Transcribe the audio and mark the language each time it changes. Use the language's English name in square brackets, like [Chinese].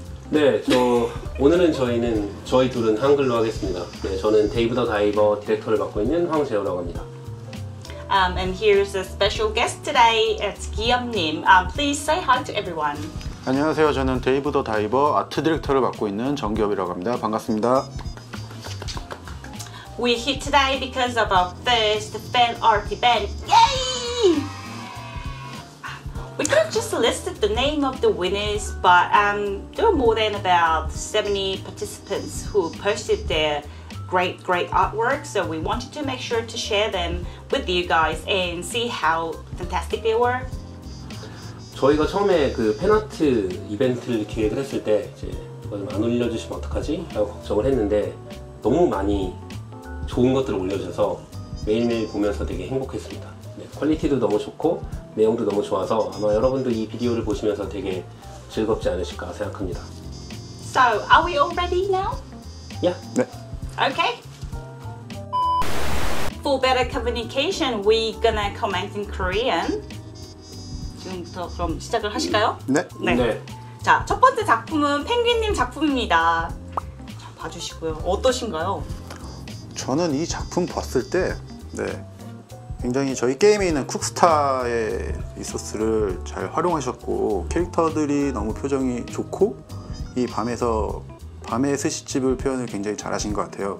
[Korean] 네, 저 오늘은 저희 둘은 한글로 하겠습니다. 네, 저는 데이브 더 다이버 디렉터를 맡고 있는 황재우라고 합니다. [English] And here's a special guest today. It's Giyeom Nim. Please say hi to everyone. [Korean] 안녕하세요. 저는 데이브 더 다이버 아트 디렉터를 맡고 있는 정기엽이라고 합니다. 반갑습니다. [English] We're here today because of our first fan art event. Yay! We could have just listed the name of the winners, but there were more than about 70 participants who posted their great, great artwork. So we wanted to make sure to share them with you guys and see how fantastic they were. [Korean] 저희가 처음에 그 팬아트 이벤트를 기획을 했을 때 이제 누가 좀 안 올려주시면 어떡하지? 라고 걱정을 했는데 너무 많이 좋은 것들을 올려주셔서 매일매일 보면서 되게 행복했습니다. 네, 퀄리티도 너무 좋고 내용도 너무 좋아서 아마 여러분도 이 비디오를 보시면서 되게 즐겁지 않으실까 생각합니다. [English] So, are we all ready now? Yeah. [Korean] 네. [English] Okay. For better communication, we're gonna comment in Korean. [Korean] 지금부터 그럼 시작을 하실까요? 네. 네. 네. 자, 첫 번째 작품은 펭귄님 작품입니다. 봐주시고요. 어떠신가요? 저는 이 작품 봤을 때 네, 굉장히 저희 게임에 있는 쿡스타의 리소스를 잘 활용하셨고 캐릭터들이 너무 표정이 좋고 이 밤의 스시집을 표현을 굉장히 잘 하신 것 같아요.